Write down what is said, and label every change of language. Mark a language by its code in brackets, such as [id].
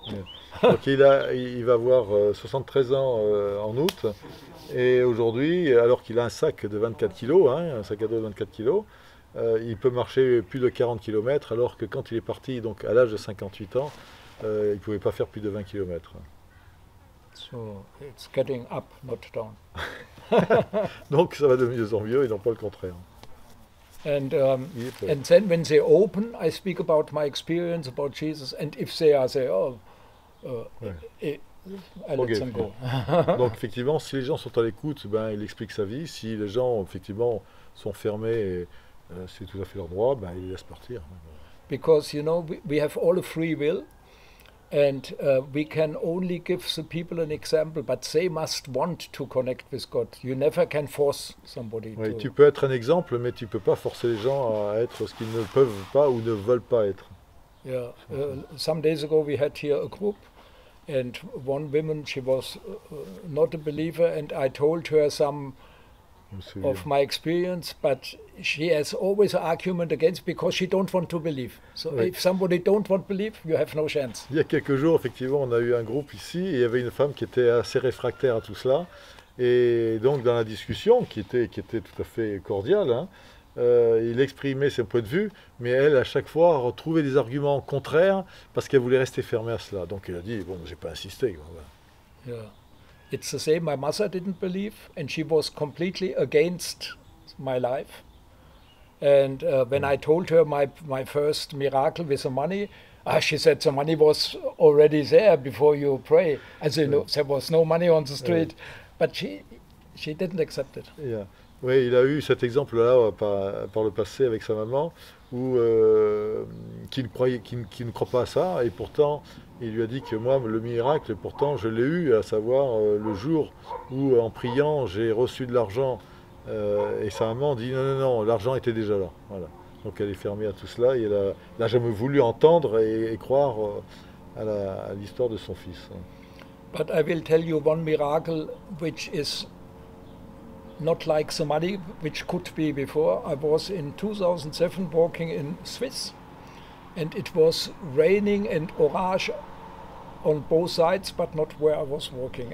[en] Yeah. [fr] Donc il va avoir 73 ans en août, et aujourd'hui, alors qu'il a un sac de 24 kilos, hein, un sac à dos de 24 kilos, il peut marcher plus de 40 kilomètres, alors que quand il est parti, donc à l'âge de 58 ans, il pouvait pas faire plus de 20 kilomètres. [en] So it's getting up, not down. [fr] Donc ça va de mieux en mieux et non pas le contraire. [en] And then when they open, I speak about my experience about Jesus. And if they are there, I let them go. [fr] Donc effectivement, si les gens sont à l'écoute, ben il explique sa vie. Si les gens effectivement sont fermés, c'est tout à fait leur droit, ben il les laisse partir. [en] Because you know we have all a free will. And we can only give the people an example, but they must want to connect with God. You never can force somebody. [fr] Oui, tu peux être un exemple, mais tu peux pas forcer les gens à être ce qu'ils ne peuvent pas ou ne veulent pas être. [en] Yeah. Some days ago, we had here a group, and one woman, she was not a believer, and I told her some of my experience, but she has always an argument against because she don't want to believe. So oui. If somebody don't want to believe, you have no chance. [fr] Il y a quelques jours, effectivement, on a eu un groupe ici et il y avait une femme qui était assez réfractaire à tout cela. Et donc, dans la discussion, qui était tout à fait cordiale, hein, Il exprimait son point de vue, mais elle, à chaque fois, retrouvait des arguments contraires parce qu'elle voulait rester fermée à cela. Donc il a dit, bon, j'ai pas insisté. [en] Yeah. It's the same. My mother didn't believe, and she was completely against my life. And when I told her my first miracle with the money, she said the money was already there before you pray. As you know, there was no money on the street, but she didn't accept it. [fr] Oui, il a eu cet exemple-là par le passé avec sa maman, où qui ne croit pas à ça, et pourtant il lui a dit que moi le miracle, pourtant je l'ai eu, à savoir le jour où en priant j'ai reçu de l'argent, et sa maman dit non, non, non, l'argent était déjà là. Voilà. Donc elle est fermée à tout cela, et elle n'a jamais voulu entendre et croire à l'histoire de son fils. [en] But I will tell you one miracle which is not like the money which could be before. I was in 2007 walking in Swiss, and it was raining and orage on both sides, but not where I was walking.